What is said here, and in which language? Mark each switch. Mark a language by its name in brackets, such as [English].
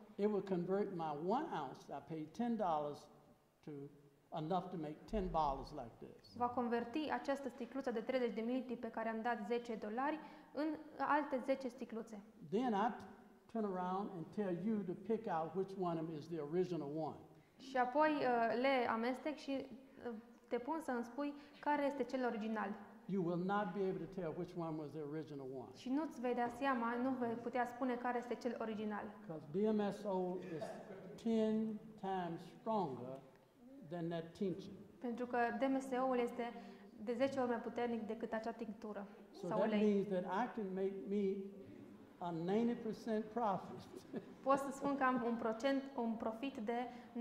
[English] It will convert my 1 ounce I paid $10 to enough to make 10 bottles like this. [Romanian] Va converti această sticluță de 30 de mililitri pe care am dat $10 în alte 10 sticluțe. [English] Then I turn around and tell you to pick out which one is the original one. [Romanian] Și apoi le amestec și te pun să îmi spui care este cel original. [English] You will not be able to tell which one was the original one. [Romanian] Și nu ți vei da seama, nu vei putea spune care este cel original. [English] Because DMSO is 10 times stronger than that tincture. [Romanian] Pentru că DMSO-ul este de 10 ori mai puternic decât acea tinctură sau ulei. [English] So that means that I can make me a 90% profit. [Romanian] Pot să spun că am un profit de 90%.